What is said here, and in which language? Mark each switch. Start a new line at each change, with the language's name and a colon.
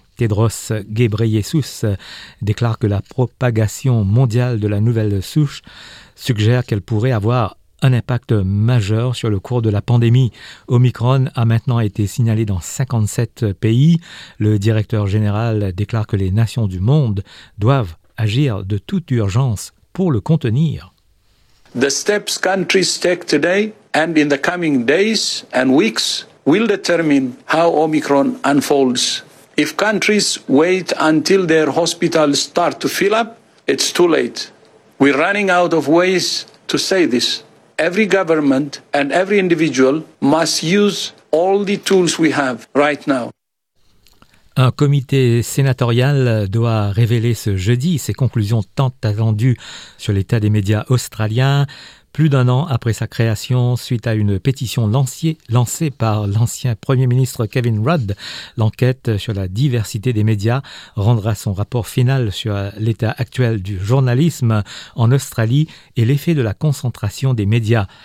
French: Tedros Ghebreyesus déclare que la propagation mondiale de la nouvelle souche suggère qu'elle pourrait avoir un impact majeur sur le cours de la pandémie. Omicron a maintenant été signalé dans 57 pays. Le directeur général déclare que les nations du monde doivent agir de toute urgence pour le contenir.
English: The steps countries take today and in the coming days and weeks will determine how Omicron unfolds. If countries wait until their hospitals start to fill up, it's too late. We're running out of ways to say this. Every government and every individual must use all the tools we have right now.
French: Un comité sénatorial doit révéler ce jeudi ses conclusions tant attendues sur l'état des médias australiens. Plus d'un an après sa création, suite à une pétition lancée par l'ancien Premier ministre Kevin Rudd, l'enquête sur la diversité des médias rendra son rapport final sur l'état actuel du journalisme en Australie et l'effet de la concentration des médias.